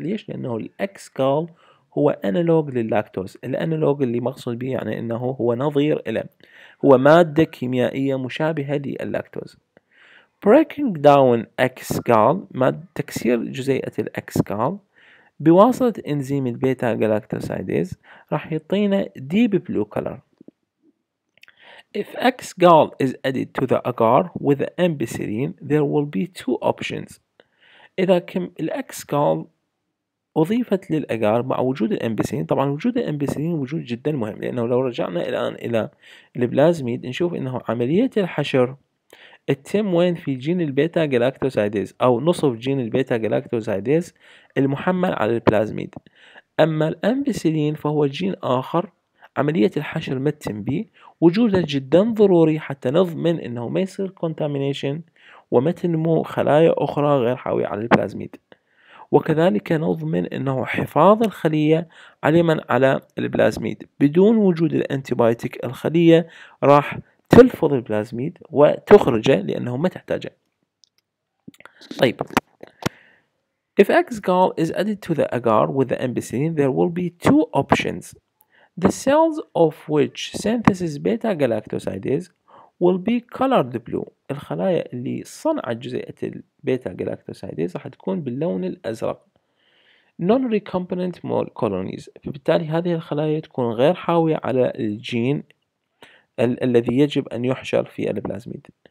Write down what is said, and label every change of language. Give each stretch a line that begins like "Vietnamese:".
Arabic: ليش؟ لأنه X-gal هو أنالوج لللاكتوز، الأنالوج اللي مقصود به يعني أنه هو نظير إلى، هو مادة كيميائية مشابهة لللاكتوز.
English: Breaking down X-gal،
Arabic: تكسير جزيئة X-gal بواسطة إنزيم البيتا جلاكتوسايديز راح يعطينا
English: Deep Blue Color. If X-gal is added to the agar with the ampicillin there will be two options.
Arabic: إذا كم X-gal أضيفت للأجار مع وجود الأمبسيلين، طبعا وجود الأمبسيلين وجود جدا مهم، لأنه لو رجعنا الآن إلى البلازميد نشوف أنه عملية الحشر تتم وين؟ في جين البيتا جلاكتوسايديز أو نصف جين البيتا جلاكتوسايديز المحمل على البلازميد. أما الأمبسيلين فهو جين آخر عملية الحشر ما تتم به، وجوده جدا ضروري حتى نضمن أنه ما يصير contamination وما تنمو خلايا أخرى غير حاوية على البلازميد، وكذلك نضمن أنه حفاظ الخلية علماً على البلازميد. بدون وجود الأنتيبايتيك الخلية راح تلفظ البلازميد وتخرجه لأنه ما تحتاجه. طيب
English: If XGAL is added to the agar with the ampicillin, there will be two options. The cells of which synthesis beta galactosidase will be colored blue.
Arabic: الخلايا اللي صنعت جزيئة البيتا جالاكتوسايديز راح تكون باللون الأزرق.
English: Non-recombinant colonies.
Arabic: فبالتالي هذه الخلايا تكون غير حاوية على الجين الذي يجب أن يحشر في البلازميد.